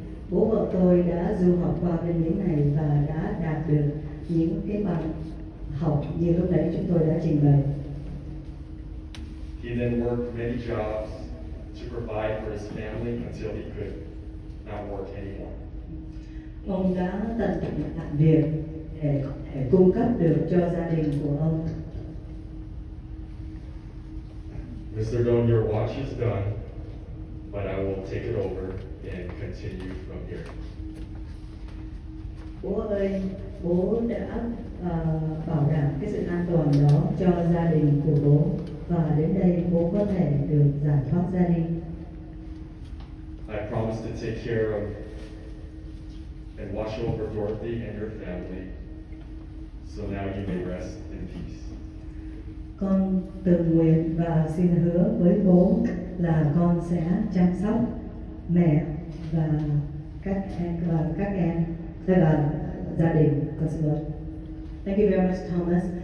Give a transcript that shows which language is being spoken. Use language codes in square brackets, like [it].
[vi] Bố vợ tôi đã du học qua bên Mỹ này và đã đạt được những cái bằng học như lúc đấy chúng tôi đã trình bày. [en] He then worked many jobs to provide for his family until he could not work anymore. [vi] Ông đã tận tình làm việc để cung cấp được cho gia đình của ông. [en] Mr. Dong, your watch is done, but I will take it over and continue from here. [vi] Bố ơi, bố đã bảo đảm cái sự an toàn đó cho gia đình của bố và đến đây bố có thể được giải thoát gia đình. [en] I promise to take care of and watch over Dorothy and her family, so now you may rest in peace. [vi] Con tự nguyện và xin hứa với bố là con sẽ chăm sóc mẹ và các em. Thưa bà, gia đình, con xin lỗi. [en] Thank you very much, Thomas.